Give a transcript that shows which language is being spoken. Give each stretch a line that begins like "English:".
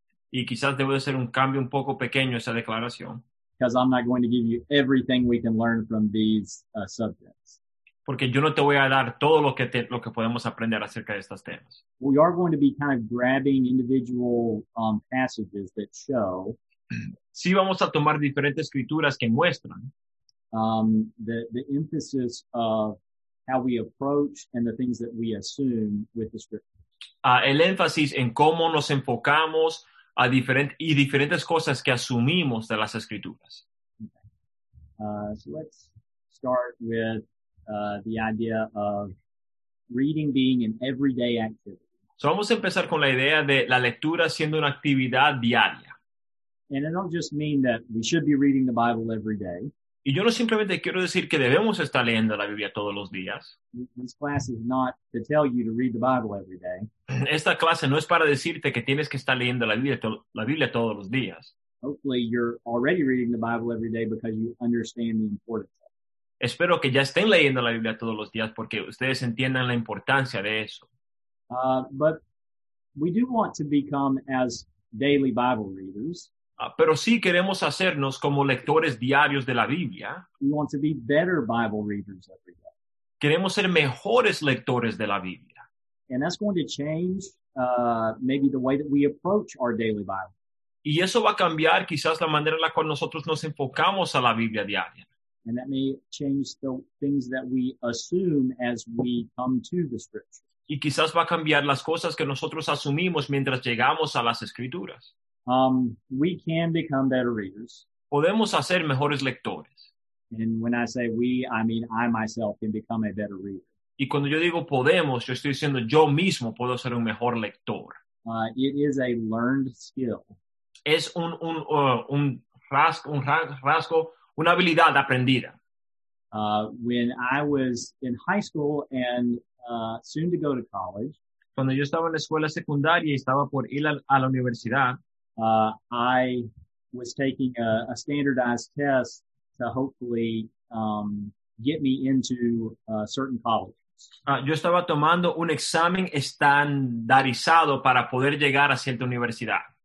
Spanish: Y quizás debo hacer un cambio un poco pequeño a esa declaración.
English: Because I'm not going to give you everything we can learn from these subjects.
Spanish: Porque yo no te voy a dar todo lo que podemos aprender acerca de estos temas.
English: We are going to be kind of grabbing individual passages that show.
Spanish: Sí, vamos a tomar diferentes escrituras que muestran
English: the emphasis of how we approach and the things that we assume with the scriptures.
Spanish: El énfasis en cómo nos enfocamos a diferentes cosas que asumimos de las escrituras.
English: Okay. So let's start with the idea of reading being an everyday activity.
Spanish: So vamos a empezar con la idea de la lectura siendo una actividad diaria.
English: And I don't just mean that we should be reading the Bible every day.
Spanish: Y yo no simplemente quiero decir que debemos estar leyendo la Biblia todos los días.
English: This class is not to tell you to read the Bible every day.
Spanish: Esta clase no es para decirte que tienes que estar leyendo la Biblia todos los días.
English: Hopefully you're already reading the Bible every day because you understand the importance of it.
Spanish: Espero que ya estén leyendo la Biblia todos los días porque ustedes entiendan la importancia de eso.
English: But we do want to become as daily Bible readers.
Spanish: Pero sí queremos hacernos como lectores diarios de la Biblia.
English: We want to be better Bible readers every day.
Spanish: Queremos ser mejores lectores de la Biblia.
English: And that's going to change maybe the way that we approach our daily Bible.
Spanish: Y eso va a cambiar quizás la manera en la cual nosotros nos enfocamos a la Biblia diaria.
English: And that may change the things that we assume as we come to the Scriptures.
Spanish: Y quizás va a cambiar las cosas que nosotros asumimos mientras llegamos a las Escrituras.
English: We can become better readers.
Spanish: Podemos hacer mejores lectores.
English: And when I say we, I mean I myself can become a better reader.
Spanish: Y cuando yo digo podemos, yo estoy diciendo yo mismo puedo ser un mejor lector.
English: It is a learned skill.
Spanish: Es un rasgo, una habilidad aprendida.
English: When I was in high school and soon to go to college,
Spanish: cuando yo estaba en la escuela secundaria y estaba por ir a la universidad,
English: I was taking a standardized test to hopefully get me into certain colleges.
Spanish: Yo estaba tomando un examen estandarizado para poder llegar a cierta universidad.